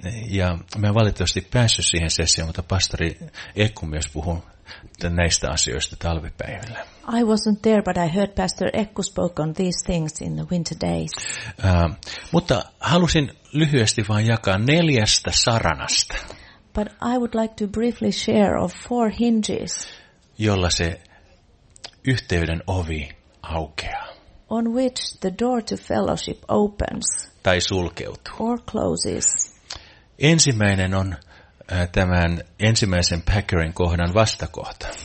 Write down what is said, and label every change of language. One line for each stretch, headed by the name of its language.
Finnish: Ja mä en valitettavasti päässyt siihen sessioon, mutta pastori Ekku myös puhui näistä asioista talvipäivillä.
English: I wasn't there, but I heard Pastor Ekku spoke on these things in the winter days.
Finnish: Mutta halusin lyhyesti vain jakaa neljästä saranasta.
English: But I would like to briefly share of four hinges.
Finnish: Jolla se yhteyden ovi aukeaa.
English: On which the door to fellowship opens.
Finnish: Tai sulkeutuu.
English: Or closes.
Finnish: Ensimmäinen on tämän ensimmäisen Packerin kohdan vastakohta.